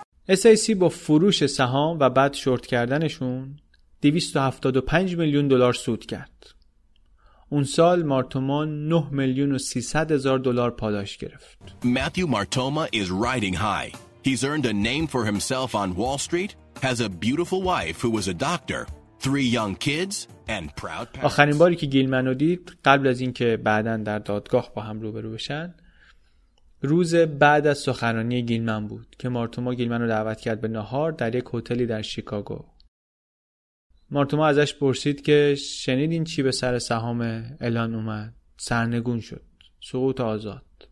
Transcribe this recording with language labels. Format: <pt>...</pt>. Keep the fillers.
<fa>SIC با فروش سهام و بعد شورت کردنشون 275 میلیون دلار سود کرد. اون سال مارتوما 9 میلیون و 300 هزار دلار پاداش گرفت.</fa> <en>Matthew Martoma is riding high. He's earned a name for himself on Wall Street, has a beautiful wife who was a doctor, three young kids and proud parents.</en> <fa>آخرین باری که گیلمنو دید قبل از اینکه بعدا در دادگاه با هم روبرو بشن روز بعد از سخنرانی گیلمن بود که مارتوما گیلمن رو دعوت کرد به نهار در یک هتلی در شیکاگو. مارتوما ازش پرسید که شنیدین چی به سر سهام اعلان اومد؟ سرنگون شد. سقوط آزاد.</fa>